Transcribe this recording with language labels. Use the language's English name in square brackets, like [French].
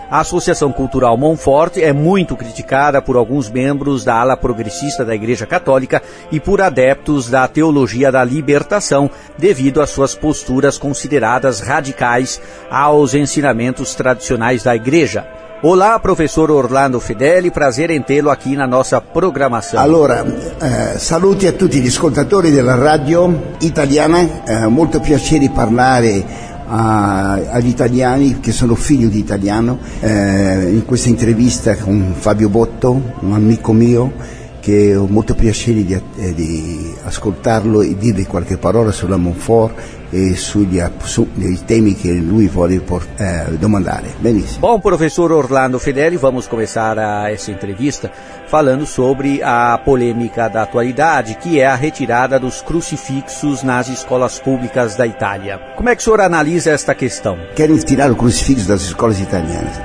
[Portuguese] A Associação Cultural Monfort é muito criticada por alguns membros da ala progressista da Igreja Católica e por adeptos da teologia da libertação, devido às suas posturas consideradas radicais aos ensinamentos tradicionais da Igreja. Olá, professor Orlando Fedeli, prazer em tê-lo aqui na nossa programação. [Italian] Allora, saluti a tutti gli ascoltatori della radio italiana, molto piacere parlare agli italiani che sono figlio di italiano, in questa intervista con Fabio Botto, un amico mio, che ho molto piacere di ascoltarlo e dire qualche parola sulla Monfort e sui temi che lui vuole domandare. Benissimo. [Portuguese] Bom, professor Orlando Fedeli, vamos começar essa entrevista falando sobre a polêmica da atualidade, que é a retirada dos crucifixos nas escolas públicas da Itália. Como é que o senhor analisa esta questão? Querem tirar o crucifixo das escolas italianas.